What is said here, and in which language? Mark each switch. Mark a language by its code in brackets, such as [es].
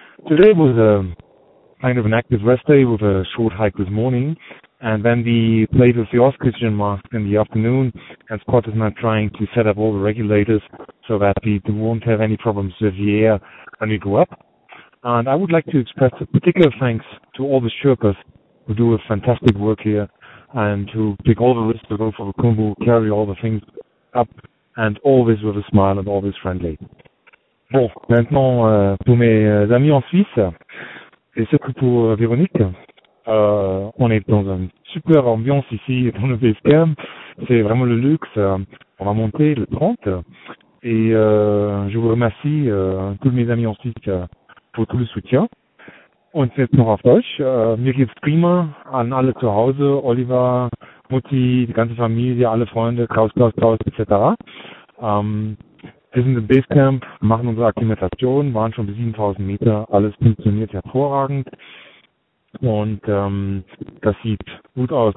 [en] Today was a kind of an active rest day with a short hike this morning, and then we played with the oxygen mask in the afternoon, and Scott is now trying to set up all the regulators so that we won't have any problems with the air when we go up. And I would like to express a particular thanks to all the Sherpas who do a fantastic work here, and to take all the risks to go for the Kumbu, carry all the things up, and always with a smile and always friendly. [fr] Bon, maintenant, pour mes amis en Suisse, et surtout pour Véronique, on est dans une super ambiance ici dans le base camp. C'est vraiment le luxe. On va monter le 30. Et je vous remercie, tous mes amis en Suisse, pour tout le soutien. [de] Und jetzt noch auf Deutsch. Mir geht's prima an alle zu Hause. Oliver, Mutti, die ganze Familie, alle Freunde, Klaus, Klaus, Klaus, etc. Wir sind im Basecamp, machen unsere Akklimatation, waren schon bis 7000 Meter. Alles funktioniert hervorragend. Und das sieht gut aus.